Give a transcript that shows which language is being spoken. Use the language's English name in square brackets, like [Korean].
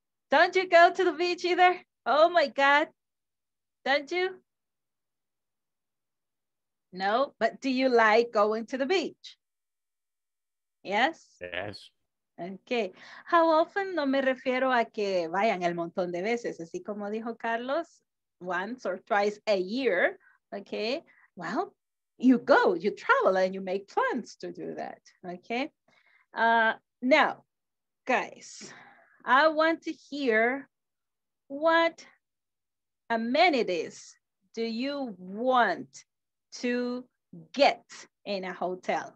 [English] Don't you go to the beach either? Oh my God, don't you? No, but do you like going to the beach? Yes? Yes. Okay. How often? [Spanish] No me refiero a que vayan el montón de veces, así como dijo Carlos, [English] once or twice a year, [Spanish] okay? [English] Well, you go, you travel and you make plans to do that, okay? Now, guys, I want to hear what amenities do you want to get in a hotel?